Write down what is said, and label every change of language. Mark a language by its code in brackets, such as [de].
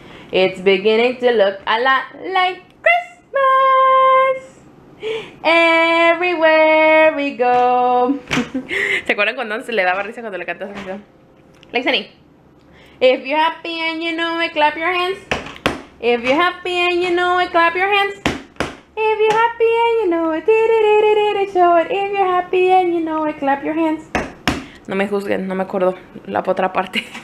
[en] It's beginning to look a lot like Christmas. Everywhere we go. [es] ¿Se acuerdan cuando se le daba risa cuando le cantaba esa canción? Lexani. [en] If you're happy and you know it, clap your hands. If you're happy and you know it, clap your hands. If you're happy and you know it, show it. If you're happy and you know it, clap your hands. [es] No me juzguen, no me acuerdo la otra parte.